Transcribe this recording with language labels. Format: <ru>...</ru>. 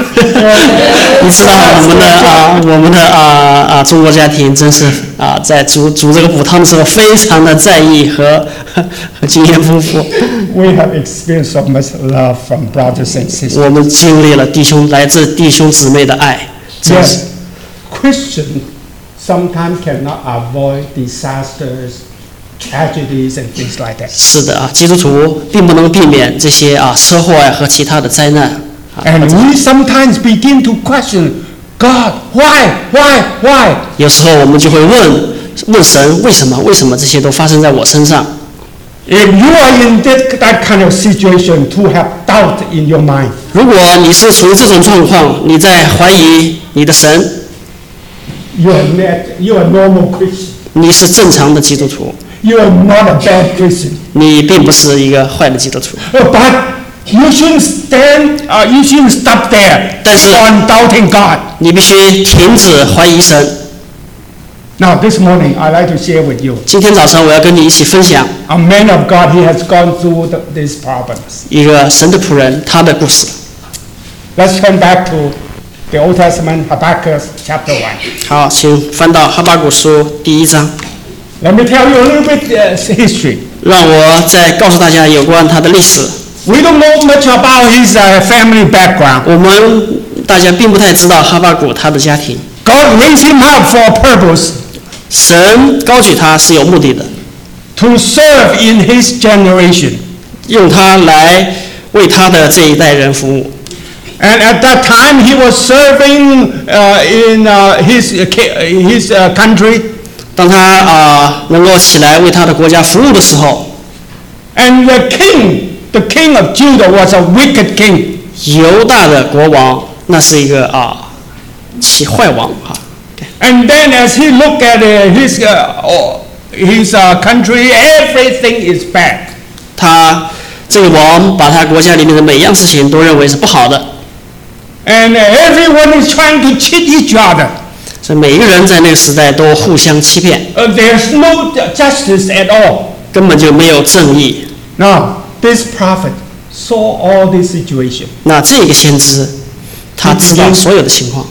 <zh>你知道我们的中国家庭真是在煮这个补汤的时候非常的在意和经验丰富。</zh> <en>We have experienced so much love from brothers and sisters.</en> <zh>我们经历了来自弟兄姊妹的爱。</zh> <en>Yes, Christian sometimes cannot avoid disasters, tragedies, and things like that.</en> <zh>是的基督徒并不能避免这些车祸和其他的灾难。</zh> <en>And we sometimes begin to question God, why?</en> <zh>有时候我们就会问神为什么这些都发生在我身上。</zh> <en>If you are in that kind of situation, to have doubt in your mind.</en> <zh>如果你是处于这种状况，你在怀疑你的神。</zh> <en>You are normal Christian.</en> <zh>你是正常的基督徒。</zh> <en>You are not a bad Christian.</en> <zh>你并不是一个坏的基督徒。</zh> <en>But you shouldn't stand. You shouldn't stop there.</en> <zh>但是</zh> <en>on doubting God.</en> <zh>你必须停止怀疑神。</zh> <en>Now this morning, I'd like to share with you.</en> <zh>今天早上我要跟你一起分享。</zh> <en>A man of God, he has gone through these problems.</en> <zh>一个神的仆人，他的故事。</zh> <en>Let's turn back to the Old Testament Habakkuk chapter 1.</en> <zh>好，请翻到哈巴谷书第一章。</zh> <en>Let me tell you a little bit history.</en> <zh>让我再告诉大家有关他的历史。</zh> <en>We don't know much about his family background.</en> <zh>我们大家并不太知道哈巴谷他的家庭。</zh> <en>God raised him up for a purpose.</en> <zh>神高举他是有目的的。</zh> <en>To serve in his generation.</en> <zh>用他来为他的这一代人服务。</zh> <en>And at that time, he was serving in his country.</en> <zh>当他能够起来为他的国家服务的时候。</zh> <en>And the king of Judah was a wicked king.</en> <zh>犹大的国王那是一个起坏王啊。</zh> <en>And then as he looked at his country, everything is bad.</en> <zh>他这个王把他国家里面的每样事情都认为是不好的。</zh> <en>And everyone is trying to cheat each other.</en> <zh>所以每一个人在那个时代都互相欺骗。</zh> <en>There's no justice at all.</en> <zh>根本就没有正义。</zh> <en>Now, this prophet saw all this situation.</en> <zh>那这个先知，他知道所有的情况。</zh>